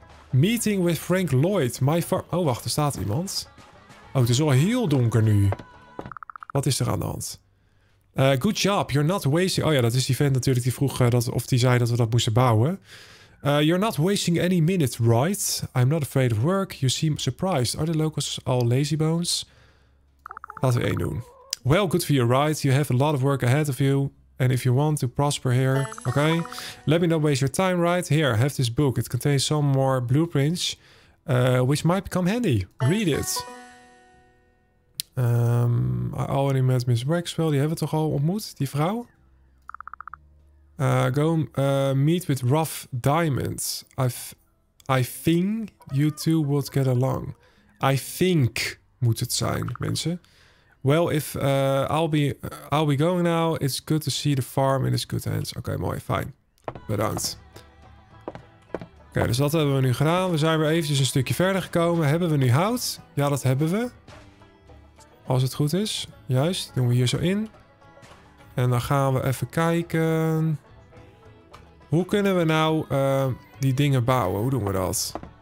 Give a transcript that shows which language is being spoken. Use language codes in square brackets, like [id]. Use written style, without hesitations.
[en] Meeting with Frank Lloyd, my farm. [nl] Oh, wacht, er staat iemand. Oh, het is al heel donker nu. Wat is er aan de hand? [en] Good job, you're not wasting... [nl] Oh ja, dat is die vent natuurlijk die vroeg dat, of die zei dat we dat moesten bouwen. [en] You're not wasting any minute, right? I'm not afraid of work. You seem surprised. Are the locals all lazy bones? [nl] Laten we 1 doen. [en] Well, good for you, right? You have a lot of work ahead of you. And if you want to prosper here, okay? Let me not waste your time, right? Here, have this book. It contains some more blueprints, which might become handy. Read it. I already met Miss Waxwell. [nl] Die hebben we toch al ontmoet, die vrouw? [en] Meet with Rough Diamond. I think you two would get along. I think [nl] moet het zijn, mensen. [en] Well, if I'll be going now, it's good to see the farm in its good hands. [nl] Oké, mooi, fijn. Bedankt. Oké, dus dat hebben we nu gedaan. We zijn weer eventjes een stukje verder gekomen. Hebben we nu hout? Ja, dat hebben we. Als het goed is. Juist, doen we hier zo in. En dan gaan we even kijken. Hoe kunnen we nou die dingen bouwen? Hoe doen we dat?